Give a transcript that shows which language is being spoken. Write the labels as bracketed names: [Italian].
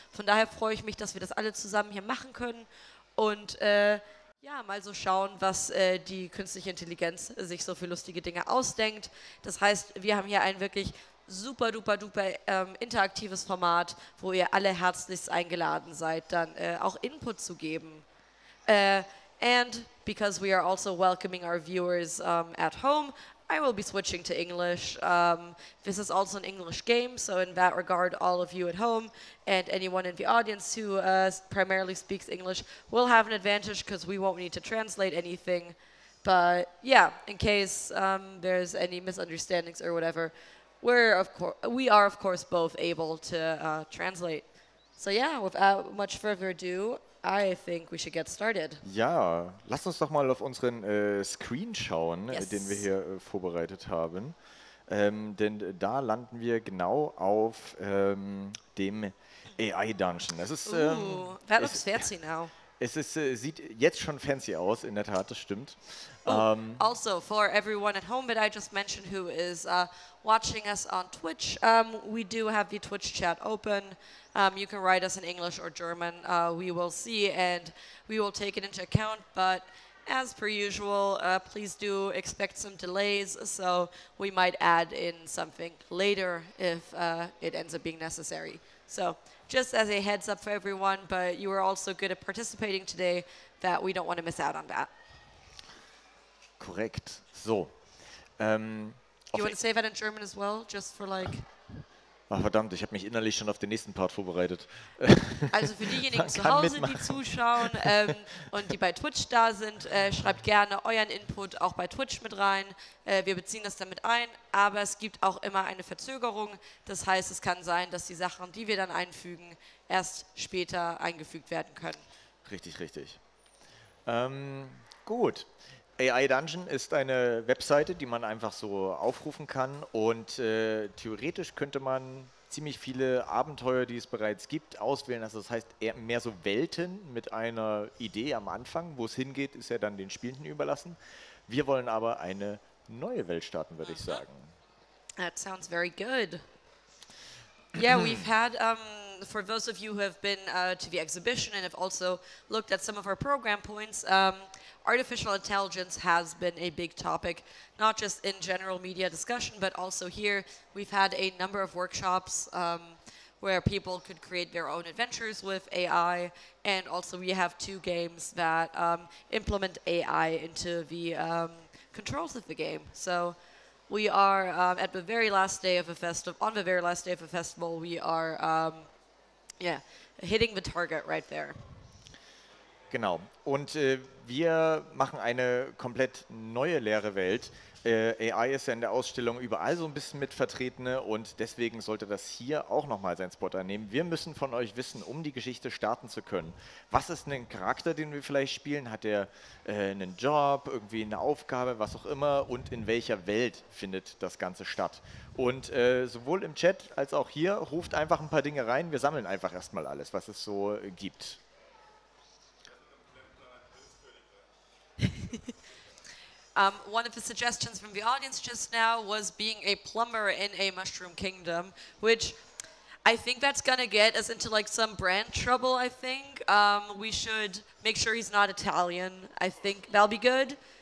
[German] Von daher freue ich mich, dass wir das alle zusammen hier machen können und ja, mal so schauen, was die künstliche Intelligenz sich so für lustige Dinge ausdenkt. Das heißt, wir haben hier ein wirklich super duper duper interaktives Format, wo ihr alle herzlichst eingeladen seid, dann auch Input zu geben. [English] And because we are also welcoming our viewers at home, I will be switching to English. This is also an English game, so in that regard, all of you at home and anyone in the audience who primarily speaks English will have an advantage because we won't need to translate anything. But yeah, in case there's any misunderstandings or whatever, we are of course both able to translate. So yeah, without much further ado, I think we should get started. [German] Ja, lass uns doch mal auf unseren Screen schauen, den wir hier vorbereitet haben. Denn da landen wir genau auf dem AI-Dungeon. [English] That looks fancy now. [German] Sieht jetzt schon fancy aus, in der Tat, das stimmt. [English] Also, for everyone at home that I just mentioned who is watching us on Twitch, we do have the Twitch chat open. You can write us in English or German. We will see and we will take it into account. But as per usual, please do expect some delays. So we might add in something later if it ends up being necessary. So just as a heads up for everyone, but you are also good at participating today, that we don't want to miss out on that. [German] Korrekt. So. [English] You want to say that in German as well, just for like... [German] Ach verdammt, ich habe mich innerlich schon auf den nächsten Part vorbereitet. Also für diejenigen zu Hause, die zuschauen und die bei Twitch da sind, schreibt gerne euren Input auch bei Twitch mit rein. Wir beziehen das damit ein, aber es gibt auch immer eine Verzögerung. Das heißt, es kann sein, dass die Sachen, die wir dann einfügen, erst später eingefügt werden können. Richtig, richtig. Gut. AI Dungeon ist eine Webseite, die man einfach so aufrufen kann und theoretisch könnte man ziemlich viele Abenteuer, die es bereits gibt, auswählen. Also das heißt eher mehr so Welten mit einer Idee am Anfang. Wo es hingeht, ist ja dann den Spielenden überlassen. Wir wollen aber eine neue Welt starten, würde ich sagen. [English] That sounds very good. Yeah, we've had, for those of you who have been to the exhibition and have also looked at some of our program points, artificial intelligence has been a big topic, not just in general media discussion, but also here. We've had a number of workshops where people could create their own adventures with AI, and also we have 2 games that implement AI into the controls of the game. So we are at the very last day of a festival, on the very last day of a festival, we are hitting the target right there. [German] Genau. Und wir machen eine komplett neue leere Welt. AI ist ja in der Ausstellung überall so ein bisschen mit vertreten und deswegen sollte das hier auch nochmal seinen Spot einnehmen. Wir müssen von euch wissen, um die Geschichte starten zu können, was ist ein Charakter, den wir vielleicht spielen? Hat der einen Job, irgendwie eine Aufgabe, was auch immer, und in welcher Welt findet das Ganze statt? Und sowohl im Chat als auch hier ruft einfach ein paar Dinge rein. Wir sammeln einfach erstmal alles, was es so gibt. [English] One of the suggestions from the audience just now was being a plumber in a mushroom kingdom, which I think that's gonna get us into like some brand trouble, I think. We should make sure he's not Italian. I think that'll be good.